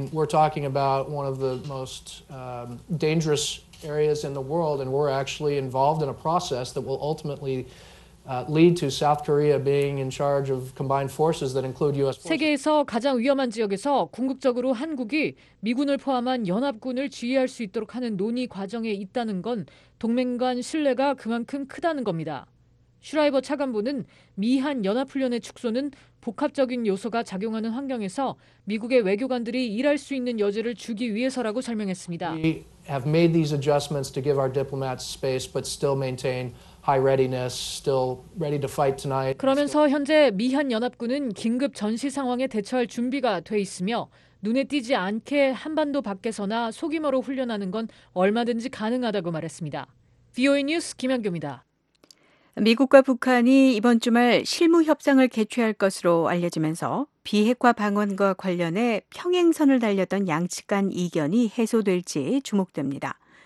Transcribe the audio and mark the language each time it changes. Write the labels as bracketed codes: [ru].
[en] We're talking about one of the most dangerous areas in the world and we're actually involved in a process that will ultimately lead to South Korea being in charge of combined forces that include US forces. [ko] 세계에서 가장 위험한 지역에서 궁극적으로 한국이 미군을 포함한 연합군을 지휘할 수 있도록 하는 논의 과정에 있다는 건 동맹 간 신뢰가 그만큼 크다는 겁니다. 슈라이버 차관보는 미한 연합훈련의 축소는 복합적인 요소가 작용하는 환경에서 미국의 외교관들이 일할 수 있는 여지를 주기 위해서라고 설명했습니다. [en] We have made these adjustments to give our diplomats space but still maintain high readiness, still ready to fight tonight. [ko] 그러면서 현재 미한 연합군은 긴급 전시 상황에 대처할 준비가 돼 있으며 눈에 띄지 않게 한반도 밖에서나 소규모로 훈련하는 건 얼마든지 가능하다고 말했습니다. VOA 뉴스 김현규입니다. 미국과 북한이 이번 주말 실무 협상을 개최할 것으로 알려지면서 비핵화 방안과 관련해 평행선을 달렸던 양측 간 이견이 해소될지 주목됩니다.